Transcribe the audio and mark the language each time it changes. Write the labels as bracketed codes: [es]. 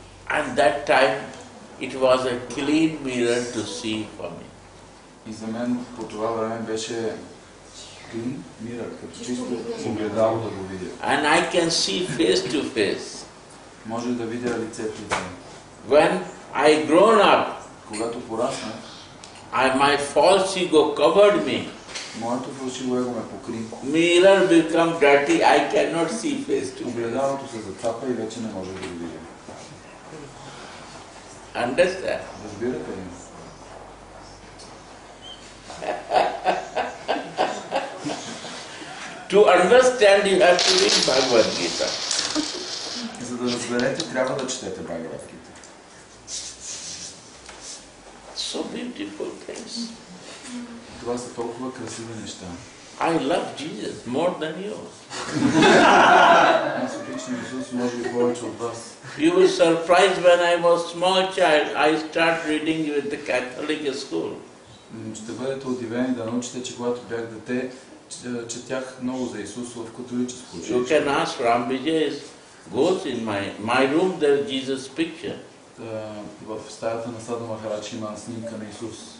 [en] And that time, it was a clean mirror to see for me. [bg] И за мен по това време беше [en] clean mirror, [bg] като чисто огледало да го видя. [en] And I can see face to face. [bg] Може да видя лице в лице. [en] When I grown up, [bg] когато пораснах, [en] my false ego covered me. [bg] Моето фалшиво его ме покри. [en] Mirror become dirty, I cannot see face to face. [bg] Огледалото се затапа и вече не може да го видя. [en] Understand? [bg] Разбирате ли? [en] To understand, you have to read Bhagavad Gita. [bg] За да разберете, трябва да четете Bhagavad Gita. [en] So beautiful things. [bg] Това са толкова красиви неща. [en] I love Jesus more than you. [bg] Аз обичам Исус, може би повече от вас. [en] You were surprised when I was small child, I start reading you at the Catholic school. [bg] Ще бъдете удивени да научите, че когато бях дете, четях много за Исус в католическо училище. [en] You can ask Rambijay, goes in my room, there is Jesus picture. [bg] В стаята на Садху Махарадж има снимка на Исус.